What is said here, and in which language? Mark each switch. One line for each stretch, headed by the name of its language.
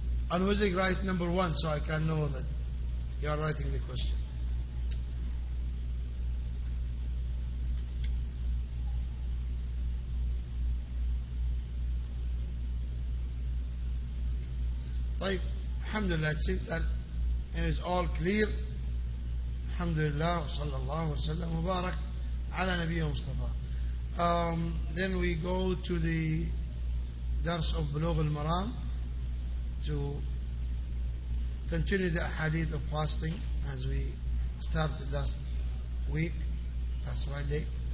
English: On Wuzik write number one so I can know that you are writing the question.
Arabic: طيب الحمد لله,
English: it seems that it is all clear.
Arabic: الحمد لله وصلى الله وسلم وبارك على نبيه مصطفى.
English: Then we go to the درس of بلوغ المرام to continue the hadith of fasting as we started last week, last Friday.